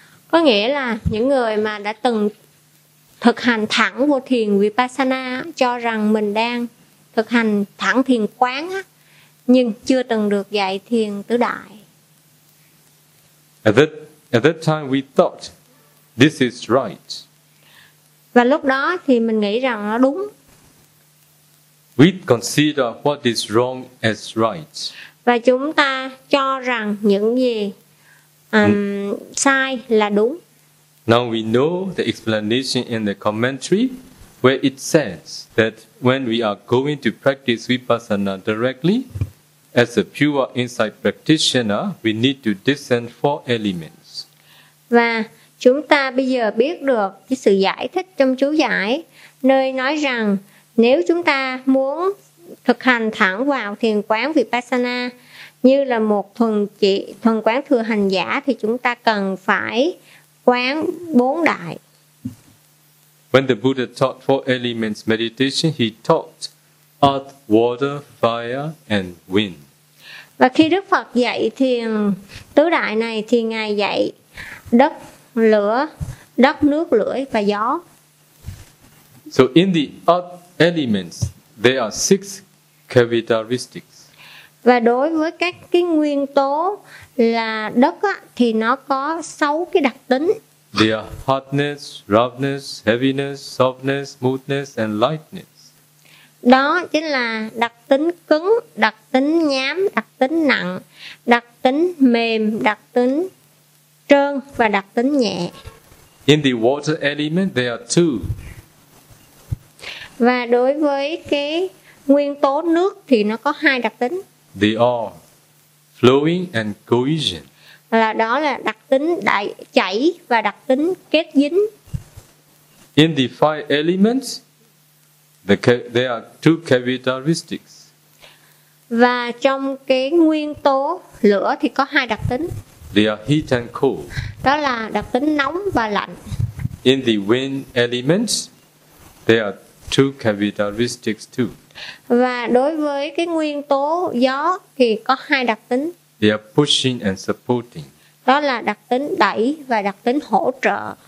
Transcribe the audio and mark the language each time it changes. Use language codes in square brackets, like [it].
[vi] Có nghĩa là những người mà đã từng thực hành thẳng vô thiền vipassana cho rằng mình đang thực hành thẳng thiền quán á, nhưng chưa từng được dạy thiền tứ đại. [en] At that time we thought this is right. [vi] Và lúc đó thì mình nghĩ rằng nó đúng. [en] We consider what is wrong as right. [vi] Và chúng ta cho rằng những gì sai là đúng. [en] Now we know the explanation in the commentary where it says that when we are going to practice vipassana directly as a pure insight practitioner, we need to discern four elements. [vi] Và chúng ta bây giờ biết được cái sự giải thích trong chú giải nơi nói rằng nếu chúng ta muốn thực hành thẳng vào thiền quán vipassana như là một thuần quán thừa hành giả thì chúng ta cần phải quán bốn đại. [en] When the Buddha taught four elements meditation, he taught earth, water, fire and wind. [vi] Và khi Đức Phật dạy thiền tứ đại này thì ngài dạy đất, lửa, đất, nước, lửa và gió. [en] So in the earth elements, there are six characteristics. [vi] Và đối với các cái nguyên tố là đất á, thì nó có sáu cái đặc tính. [en] They are hardness, roughness, heaviness, softness, smoothness and lightness. [vi] Đó chính là đặc tính cứng, đặc tính nhám, đặc tính nặng, đặc tính mềm, đặc tính trơn và đặc tính nhẹ. [en] In the water element, there are two. [vi] Và đối với cái nguyên tố nước thì nó có hai đặc tính. [en] They are flowing and cohesion. [vi] Là đó là đặc tính đại chảy và đặc tính kết dính. [en] In the five elements, there are two characteristics. [vi] Và trong cái nguyên tố lửa thì có hai đặc tính. [en] They are heat and cold. [vi] Đó là đặc tính nóng và lạnh. [en] In the wind elements, there are two characteristics too. [vi] Và đối với cái nguyên tố gió thì có hai đặc tính. [en] They are pushing and supporting. [vi] Đó là đặc tính đẩy và đặc tính hỗ trợ.